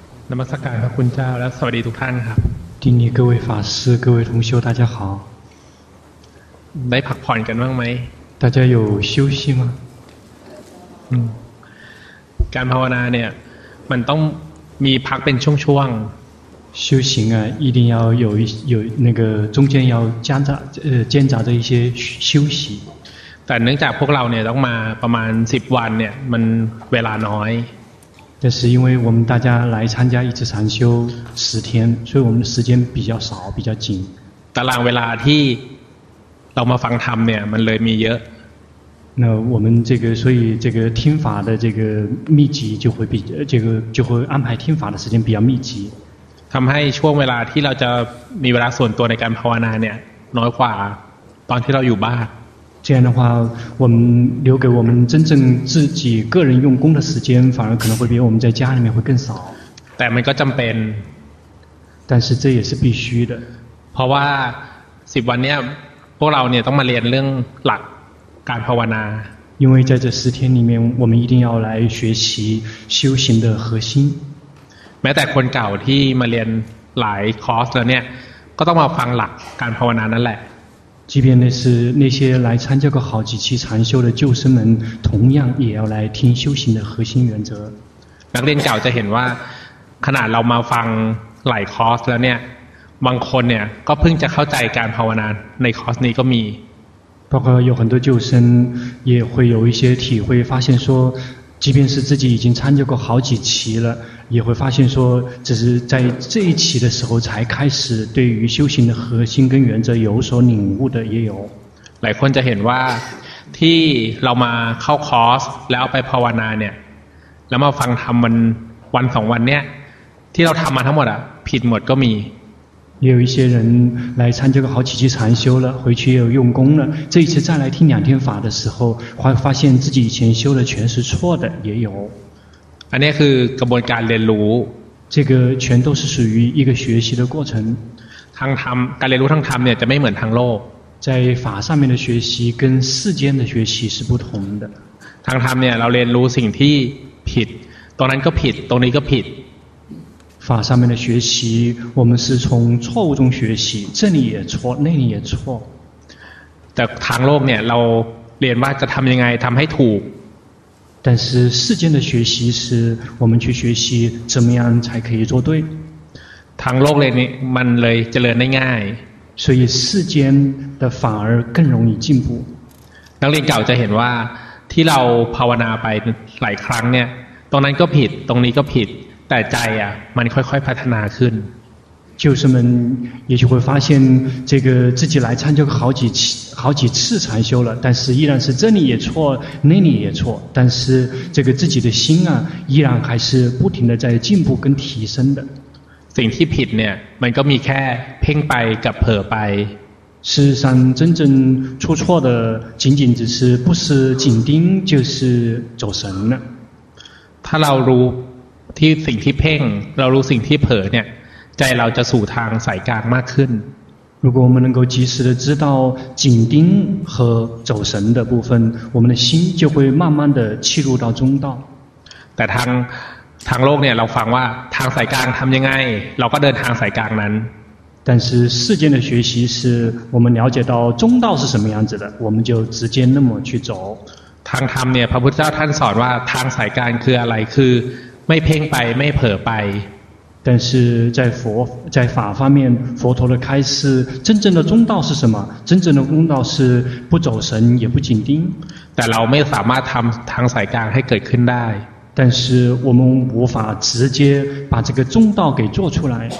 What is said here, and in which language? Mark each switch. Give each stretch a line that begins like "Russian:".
Chinese: 那么
Thai: สักการะพระคุณเจ้าและสวัสดีทุกท่านครับ ที่นี่
Chinese: 各位法师各位同修大家好
Thai: ได้พักผ่อนกันบ้างไหม
Chinese: 大家有休息吗
Thai: การภาวนาเนี่ยมันต้องมีพักเป็นช่วง
Chinese: ๆ修行啊一定要有那个中间要间杂着一些休息
Thai: แต่เนื่องจากพวกเราเนี่ยต้องมาประมาณ10วันเนี่ยมันเวลาน้อย แต่
Chinese: 是因为我们大家来参加一次禅修十天所以我们的时间比较少比较紧
Thai: ตารางเวลาที่เรามาฟังธรรมเนี่ยมันเลยมีเยอะ
Chinese: 那我们这个所以这个听法的这个密集就会比这个就会安排听法的时间比较密集
Thai: ทำให้ช่วงเวลาที่เราจะมีเวลาส่วนตัวในการภาวนาเนี่ยน้อยกว่าตอนที่เราอยู่บ้าน
Chinese: 这样的话我们留给我们真正自己个人用功的时间反而可能会比我们在家里面会更少
Thai: แต่มันก็จําเป็น
Chinese: 但是这也是必须的
Thai: เพราะว่า10วันเนี้ยพวกเราเนี่ยต้องมาเรียนเรื่องหลักการภาวนา
Chinese: 因为在这10天里面我们一定要来学习修行的核心
Thai: แม้แต่คนเก่าที่มาเรียนหลายคอร์สแล้วเนี่ยก็ต้องมาฟังหลักการภาวนานั่นแหละ
Chinese: 即便那是那些来参加过好几期禅修的救生们，同样也要来听修行的核心原则。
Thai: นักเรียนเก่าจะเห็นว่าขนาดเรามาฟังหลายคอร์สแล้วเนี่ยบางคนเนี่ยก็เพิ่งจะเข้าใจการภาวนาในคอร์สนี้ก็มี
Chinese: 包括有很多救生也会有一些体会，发现说，即便是自己已经参加过好几期了，也会发现说，只是在这一期的时候才开始对于修行的核心跟原则有所领悟的也有。
Thai: หลายคนจะเห็นว่าที่เรามาเข้าคอร์สแล้วไปภาวนาเนี่ยแล้วมาฟังธรรมมันวันสองวันเนี่ยที่เราทำมาทั้งหมดอะผิดหมดก็มี
Chinese: 也有一些人来参加过好几期禅修了回去又用功了这一次再来听两天法的时候会发现自己以前修的全是错的也有
Thai: อันนี้คือกระบวนการเรียนรู้
Chinese: 这个全都是属于一个学习的过程
Thai: ทางธรรมการเรียนรู้ทางธรรมเนี่ยจะไม่เหมือนทางโลก
Chinese: 在法上面的学习跟世间的学习是不同的
Thai: ทางธรรมเนี่ยเราเรียนรู้สิ่งที่ผิดตรงนั้นก็ผิดตรงนี้ก็ผิด ฝ่า
Chinese: 上面的学习我们是从错误中学习这里也错那里也错
Thai: แต่ทางโลกเนี่ยเราเรียนว่าจะทำยังไงทำให้ถูก
Chinese: 但是世间的学习是我们去学习怎么样才可以做对
Thai: ทางโลกเลยนี่มันเลยเจริญได้ง่าย
Chinese: 所以世间的反而更容易进步
Thai: นักเรียนเก่าจะเห็นว่าที่เราภาวนาไปหลายครั้งเนี่ยตรงนั้นก็ผิดตรงนี้ก็ผิดแต่ใจอ่ะมันค่อยๆพัฒนาขึ้น
Chinese: 就是们也许会发现这个自己来参加过好几次禅修了但是依然是这里也错那里也错但是这个自己的心啊依然还是不停的在进步跟提升的
Thai: สิ่งที่ผิดเนี่ยมันก็มีแค่เพ่งไปกับเผลอไป
Chinese: 事实上真正出错的仅仅只是不是紧盯就是走神了
Thai: ถ้าเรารู้ที่สิ่งที่เพ่งเรารู้สิ่งที่เผลอเนี่ยใจเราจะสู่ทางสายกลางมากขึ้น
Chinese: 如果我们能够及时的知道紧盯和走神的部分我们的心就会慢慢的切入到中道
Thai: แต่ทางโลกเนี่ยเราฟังว่าทางสายกลางทำยังไงเราก็เดินทางสายกลางนั้น
Chinese: 但是世间的学习是我们了解到中道是什么样子的我们就直接那么去走
Thai: ทางธรรมเนี่ยพระพุทธเจ้าท่านสอนว่าทางสายกลางคืออะไรคือไม่เพ่งไปไม่เผลอไป
Chinese: 但是在佛在法方面佛陀的开示真正的中道是什么真正的中道是不走神也不紧盯
Thai: แต่เราไม่สามารถทำทางสายกลางให้เกิดขึ้นได้
Chinese: 但是我们无法直接把这个中道给做出来